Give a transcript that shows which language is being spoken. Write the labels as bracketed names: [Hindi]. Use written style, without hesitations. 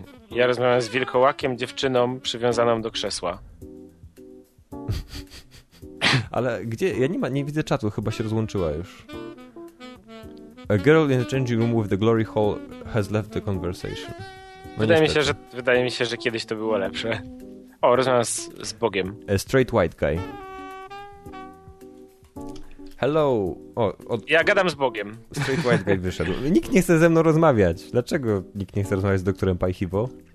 [Polish] Ja rozmawiam z wilkołakiem, dziewczyną przywiązaną do krzesła. Ale gdzie? Ja nie, ma, nie widzę czatu, chyba się rozłączyła już. [English] A girl in the changing room with the glory hole has left the conversation. [Polish] No wydaje mi się, że kiedyś to było lepsze. O, rozmawiam z Bogiem. [English] A straight white guy. Hello. [Polish] Ja gadam z Bogiem. Straight white guy wyszedł. Nikt nie chce ze mną rozmawiać. Dlaczego nikt nie chce rozmawiać z doktorem Paihivo?